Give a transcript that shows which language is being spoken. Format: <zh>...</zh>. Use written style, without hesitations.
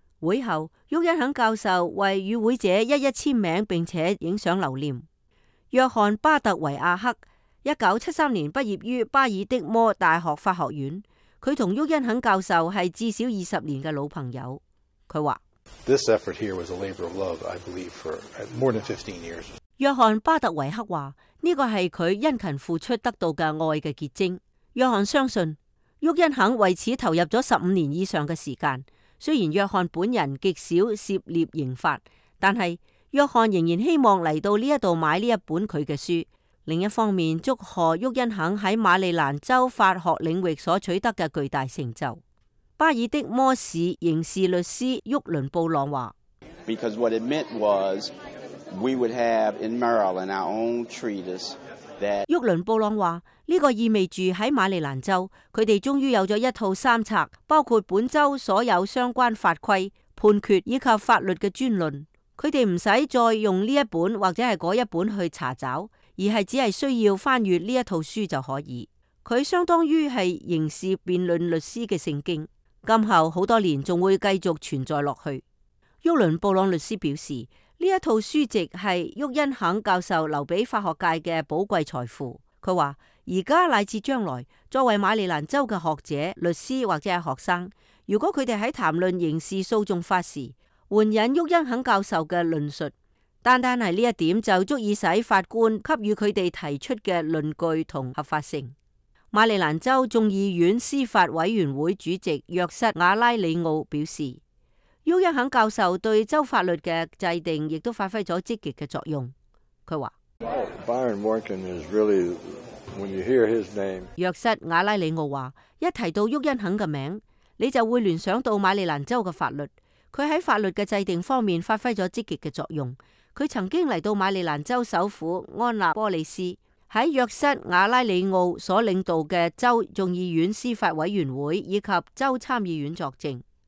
<yue>会后，沃恩肯教授为与会者一一签名并且影相留念。约翰巴特维亚克1973年毕业于巴尔的摩大学化学院，他同沃恩肯教授是至少20年的老朋友。他说</yue> <en>This effort here was a labor of love, I believe, for more than 15 years.</en> <yue>约翰巴特维克说，这个是他殷勤付出得到的爱的结晶。约翰相信沃恩肯为此投入了15年以上的时间，虽然约翰本人极少涉猎刑法，但是约翰仍然希望来到这里买这一本他的书。另一方面，祝贺沃恩肯在马里兰州法学领域所取得的巨大成就。巴尔的摩市刑事律师沃伦布朗说，</yue> <en>Because what it meant was,We would have in Maryland our own treatise that.</en> <yue>沃伦布朗话：呢个意味住喺马里兰州，佢哋终于有咗一套三册，包括本州所有相关法规、判决以及法律嘅专论。佢哋唔使再用呢一本或者系嗰一本去查找，而系只系需要翻阅呢一套书就可以。佢相当于系刑事辩论律师嘅圣经，今后好多年仲会继续存在落去。沃伦布朗律师表示。这一套书籍是沃恩肯教授留给法学界的宝贵财富。他说，现在乃至将来，作为马里兰州的学者、律师或者学生，如果他们在谈论刑事诉讼法时，援引沃恩肯教授的论述，单单是这一点就足以使法官给予他们提出的论据和合法性。马里兰州众议院司法委员会主席约瑟·瓦拉里奥表示，沃恩肯教授对州法律的制定亦都发挥了积极的作用。他说</yue> <en>Byron Morgan is really, when you hear his name,</en> <yue>约瑟·瓦拉里奥说，一提到沃恩肯的名字，你就会联想到马里兰州的法律。他在法律的制定方面发挥了积极的作用。他曾经来到马里兰州首府安纳波利斯，在约瑟·瓦拉里奥所领导的州众议院司法委员会以及州参议院作证。</yue>